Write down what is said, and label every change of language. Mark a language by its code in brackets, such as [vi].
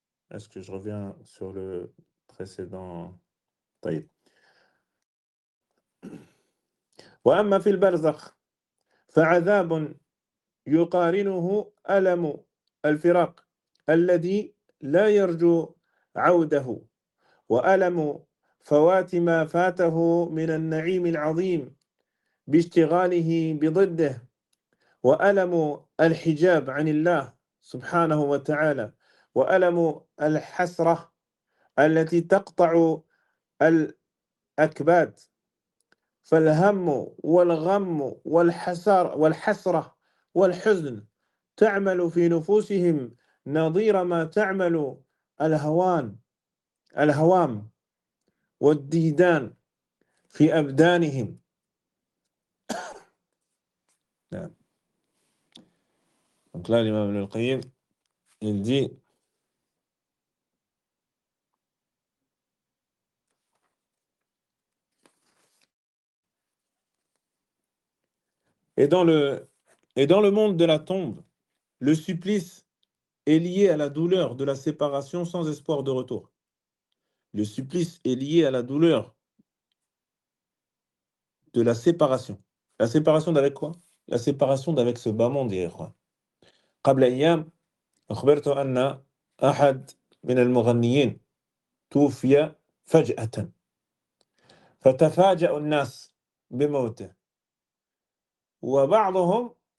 [fr] Est-ce que je reviens sur le précédent? [ar] وأما في البرزخ فعذاب يقارنه ألم الفراق الذي لا يرجو عوده وألم فوات ما فاته من النعيم العظيم باشتغاله بضده وألم الحجاب عن الله سبحانه وتعالى وألم الحسرة التي تقطع الأكباد فالهم والغم والحسرة والحزن تعمل في نفوسهم نظير ما تعمل الهوام والديدان في أبدانهم. نعم. [fr] Donc là, l'imam Ibn al-Qayyim, il dit Et dans le monde de la tombe, le supplice est lié à la douleur de la séparation sans espoir de retour. Le supplice est lié à la douleur de la séparation. La séparation d'avec quoi? La séparation d'avec ce bas monde, hier. [ar] قبل أيام أخبرت أن أحد من المغنيين توفي فجأة فتفاجأ الناس بموته وبعضهم